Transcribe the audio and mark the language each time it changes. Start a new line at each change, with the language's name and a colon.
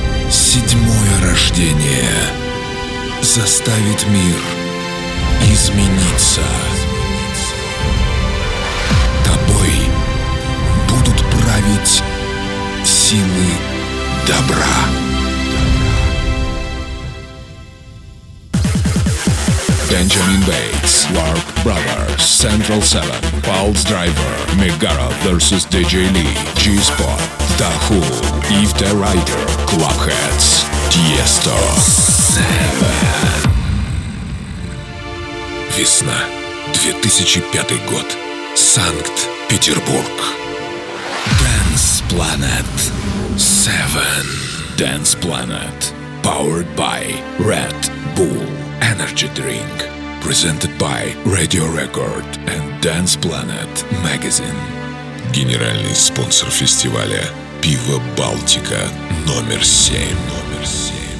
Russian: Седьмое рождение заставит мир измениться. Тобой будут править силы добра. Бенджамин Бейтс, Warp Brothers, Central 7, Pulse Driver, Megara vs.
English: DJ Lee, G-Spot, Da Who, Eve the Rider, Clubheads, Tiesto. 7.
Russian: Весна, 2005 год, Санкт-Петербург.
English: Dance Planet 7. Dance Planet, powered by Red Bull Energy Drink. Presented by Radio Record and Dance Planet Magazine.
Russian: Генеральный спонсор фестиваля — пиво «Балтика» номер 7.